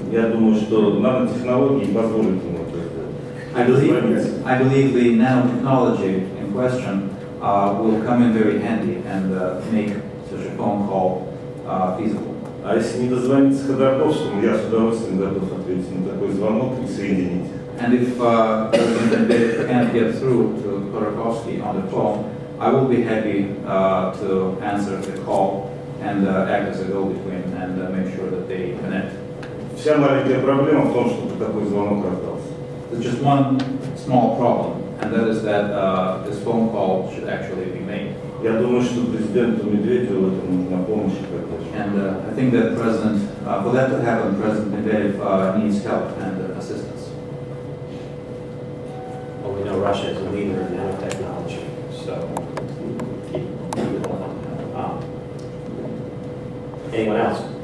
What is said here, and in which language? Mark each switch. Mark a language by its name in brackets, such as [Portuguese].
[Russian] Я думаю, что нанотехнологии позволят ему это сделать. [English] I believe the nanotechnology in question will come in very handy and make such a phone call feasible. [Russian] А если не дозвониться Ходорковскому, я с удовольствием готов ответить на такой звонок и соединить. [English] And if they can't get through to Ходорковский on the phone, I will be happy to answer the call and act as a go-between and make sure that they connect. [Russian] Вся маленькая проблема в том, чтобы такой звонок раздался. [English] There's just one small problem, and that is that this phone call should actually be made. [Russian] Я думаю, что президенту Медведеву это нужна помощь какая-то. [English] And I think that President, for that to happen, President Medvedev needs help and assistance. Well, we know Russia is a leader in nanotechnology, so keep moving along. Anyone else?